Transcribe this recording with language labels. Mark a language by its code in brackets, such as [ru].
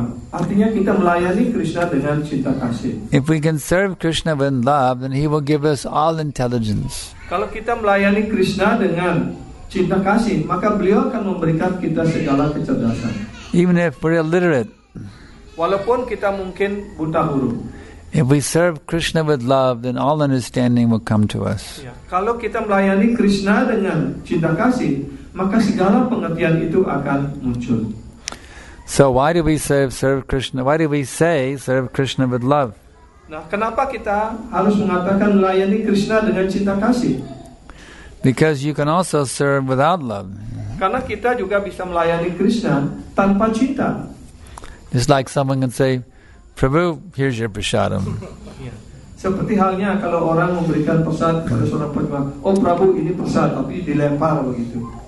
[id] Artinya kita melayani Krishna dengan cinta kasih. [en] If we can serve Krishna with love, then he will give us all intelligence. [id] Kalau kita melayani Krishna dengan cinta kasih, maka beliau akan memberikan kita segala kecerdasan. [en] Even if we're illiterate. [id] Walaupun kita mungkin buta huruf. [en] If we serve Krishna with love, then all understanding will come to us. [id] Ya. Kalau kita melayani Krishna dengan cinta kasih, maka segala pengertian itu akan muncul. [en] So why do we serve Krishna? Why do we say serve Krishna with love? [id] Nah, kenapa kita harus mengatakan melayani Krishna dengan cinta kasih? [en] Because you can also serve without love. [id] Karena kita juga bisa melayani Krishna tanpa cinta. [en] It's like someone can say, Prabhu, here's your prasadam. [id] Seperti halnya kalau orang memberikan prasad kepada seorang pengemis, oh Prabhu, ini prasad, tapi dilempar begitu.